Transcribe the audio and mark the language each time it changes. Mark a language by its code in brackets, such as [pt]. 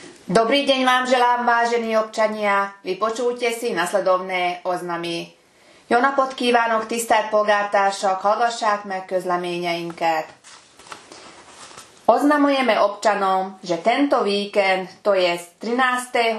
[sk] Dobrý deň vám želám, vážení občania. Vypočujte si nasledovné oznamy. [hu] Jó napot kívánok, tisztelt polgártársak, hallgassák meg közleményeinket. [sk] Oznamujeme občanom, že tento víkend, to je 13.